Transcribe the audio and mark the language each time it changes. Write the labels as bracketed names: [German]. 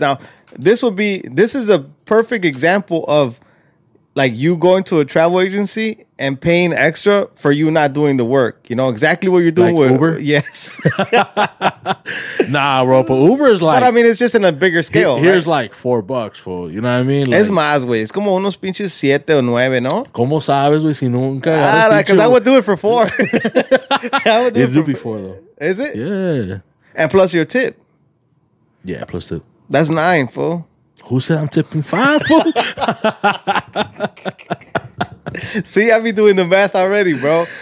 [English] Now, this is a perfect example of, like, you going to a travel agency and paying extra for you not doing the work. You know exactly what you're doing, like, with Uber? Yes. Nah, bro, but Uber is like... But, I mean, it's just in a bigger scale. Here's, right? Like, $4, fool. You know what I mean? [Spanish] Es más, güey. Es como unos pinches siete o nueve, ¿no? ¿Cómo sabes, güey, si nunca? [English] Ah, because I would do it for four. I would do it for four, though. Is it? Yeah. And plus your tip. Yeah, plus tip. That's nine, fool. Who said I'm tipping five, fool? See, I be doing the math already, bro.